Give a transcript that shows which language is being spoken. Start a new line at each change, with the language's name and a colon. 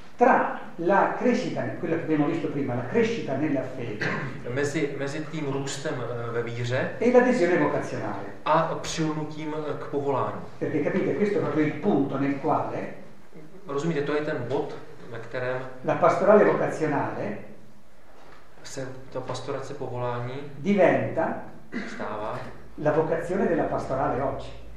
Italian: Tra la crescita, quella che abbiamo visto prima, la crescita nella fede.
Czech: Mezi tím růstem ve víře.
Italian: E l'adesione vocazionale.
Czech: A přilnutím k povolání.
Italian: Perché capite, questo è il punto nel quale.
Czech: Rozumíte, to je ten bod, na kterém
Italian: la pastorale vocazionale
Czech: se ta pastorace povolání
Italian: diventa
Czech: stává
Italian: la vocazione della pastorale oggi.